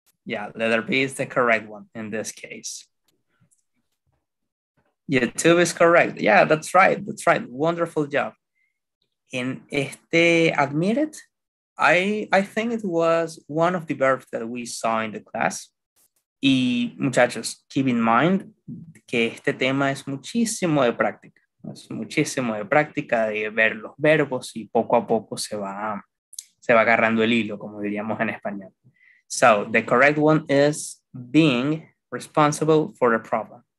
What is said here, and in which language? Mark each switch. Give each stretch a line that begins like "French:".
English: Yeah, letter B is the correct one in this case. YouTube is correct. Yeah, that's right. That's right. Wonderful job. In este admitted, I think it was one of the verbs that we saw in the class.
Spanish: Y muchachos,
English: keep in mind
Spanish: que este tema es muchísimo de práctica. Es muchísimo de práctica de ver los verbos y poco a poco se va agarrando el hilo, como diríamos en español.
English: So, the correct one is being responsible for a problem.